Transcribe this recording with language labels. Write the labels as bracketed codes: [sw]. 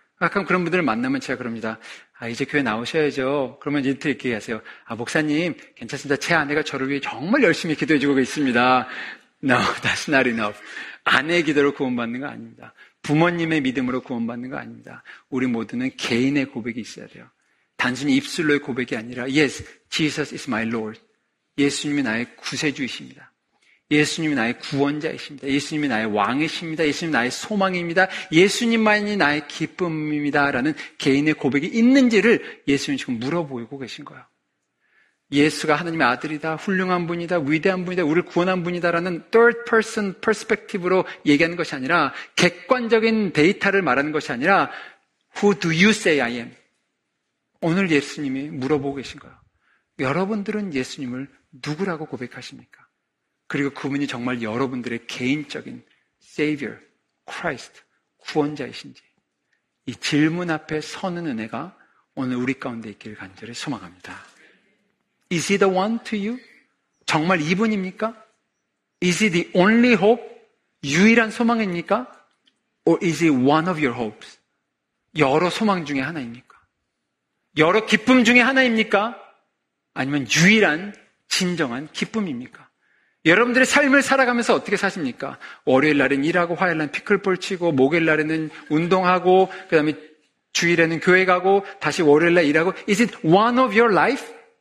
[ko] 가끔 그런 분들을 만나면 제가 그럽니다. 아, 이제 교회 나오셔야죠. 그러면 이제 이렇게 얘기하세요. 아, 목사님 괜찮습니다. 제 아내가 저를 위해 정말 열심히 기도해 주고 있습니다. [en] No, that's not enough. [ko] 아내의 기도로 구원받는 거 아닙니다. 부모님의 믿음으로 구원받는 거 아닙니다. 우리 모두는 개인의 고백이 있어야 돼요. 단순히 입술로의 고백이 아니라 [en] Yes, Jesus is my Lord. [ko] 예수님이 나의 구세주이십니다. 예수님이 나의 구원자이십니다. 예수님이 나의 왕이십니다. 예수님이 나의 소망입니다. 예수님만이 나의 기쁨입니다. 라는 개인의 고백이 있는지를 예수님이 지금 물어보고 계신 거예요. 예수가 하나님의 아들이다, 훌륭한 분이다, 위대한 분이다, 우리를 구원한 분이다 라는 [en] third person perspective [ko] 로 얘기하는 것이 아니라 객관적인 데이터를 말하는 것이 아니라 [en] Who do you say I am? [ko] 오늘 예수님이 물어보고 계신 거예요. 여러분들은 예수님을 누구라고 고백하십니까? 그리고 그분이 정말 여러분들의 개인적인 Savior, Christ, 구원자이신지 이 질문 앞에 서는 은혜가 오늘 우리 가운데 있기를 간절히 소망합니다. [en] Is he the one to you? [ko] 정말 이분입니까? [en] Is he the only hope? [ko] 유일한 소망입니까? [en] Or is he one of your hopes? [ko] 여러 소망 중에 하나입니까? 여러 기쁨 중에 하나입니까? 아니면 유일한 진정한 기쁨입니까? 여러분들의 삶을 살아가면서 어떻게 사십니까? 월요일 날엔 일하고 화요일 날엔 피클볼 치고 목요일 날에는 운동하고 그 다음에 주일에는 교회 가고 다시 월요일 날 일하고 [en] Is it one of your life?